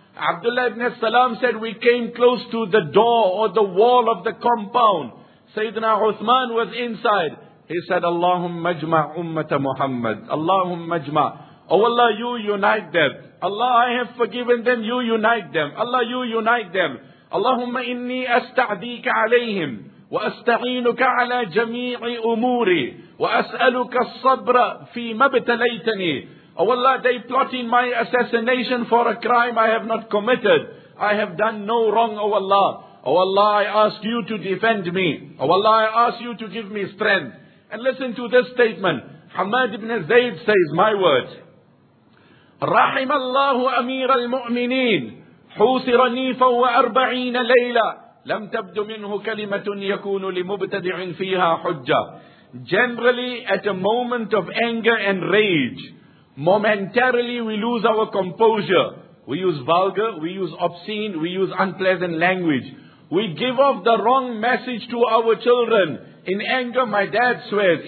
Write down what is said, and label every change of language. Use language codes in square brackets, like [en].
[en] Abdullah ibn Salam said, we came close to the door or the wall of the compound. Sayyidina Uthman was inside. He said, [ar] Allahumma ajma ummata Muhammad. Allahumma ajma. [en] Oh Allah, you unite them. Allah, I have forgiven them. You unite them. Allah, you unite them. [ar] اللهم إني أستعديك عليهم وأستعينك على جميع أموري وأسألك الصبر في ما ابتليتني. [en] Oh Allah, they plotting my assassination for a crime I have not committed. I have done no wrong, oh Allah. Oh Allah, I ask you to defend me. Oh Allah, I ask you to give me strength. And listen to this statement. Hamad ibn Zayd says, my words. [ar] رحم الله أمير المؤمنين حوصر نيفا وأربعين ليلة لم تبد منه كلمة يكون لمبتدع فيها حجة. [en] Generally, at a moment of anger and rage, momentarily we lose our composure. We use vulgar, we use obscene, we use unpleasant language. We give off the wrong message to our children. In anger, my dad swears.